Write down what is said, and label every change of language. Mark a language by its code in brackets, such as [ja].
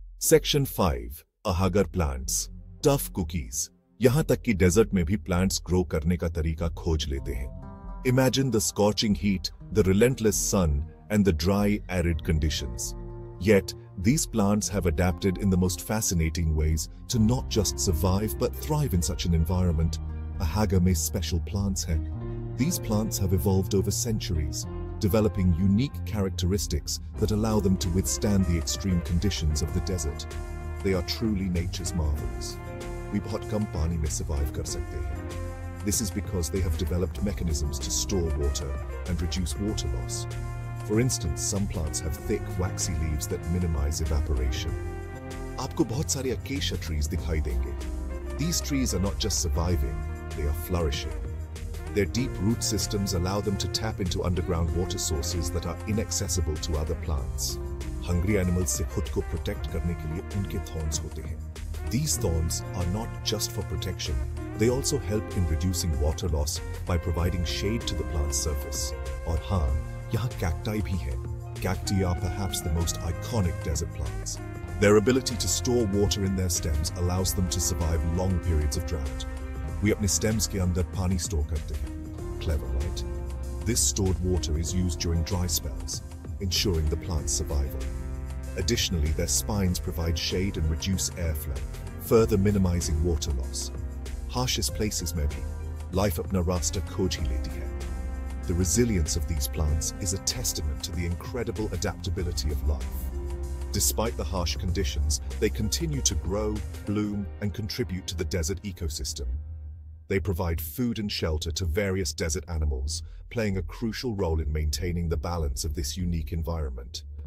[en] Section 5, Ahaggar plants, tough cookies. [hi] यहाँ तक कि डेजर्ट में भी प्लांट्स ग्रो करने का तरीका खोज लेते हैं। [en] Imagine the scorching heat, the relentless sun and the dry arid conditions. Yet These plants have adapted in the most fascinating ways to not just survive but thrive in such an environment. [hi] Ahaga may special plants hai. [en] These plants have evolved over centuries, developing unique characteristics that allow them to withstand the extreme conditions of the desert. They are truly nature's marvels. [hi] We bahut kam pani mein survive kar sakte hain. [en] This is because they have developed mechanisms to store water and reduce water loss. For instance, some plants have thick, waxy leaves that minimize evaporation. [hi] आपको बहुत सारे acacia trees दिखाई देंगे। [en] These trees are not just surviving, they are flourishing. Their deep root systems allow them to tap into underground water sources that are inaccessible to other plants. [hi] Hungry animals से खुद को protect करने के लिए उनके thorns होते हैं। [en] These thorns are not just for protection, they also help in reducing water loss by providing shade to the plant's surface. [hi] और हाँ, यहाँ cacti भी हैं। [en] Cacti are perhaps the most iconic desert plants. Their ability to store water in their stems allows them to survive long periods of drought. [hi] We अपने stems के अंदर पानी store करते हैं. [en] Clever right. This stored water is used during dry spells, ensuring the plant's survival. Additionally their spines provide shade and reduce air flow, further minimizing water loss. [hi] Harshest places में भी life अपना रास्ता खोज ही लेती है. [en] The resilience of these plants is a testament to the incredible adaptability of life. Despite the harsh conditions, they continue to grow, bloom, and contribute to the desert ecosystem. They provide food and shelter to various desert animals, playing a crucial role in maintaining the balance of this unique environment.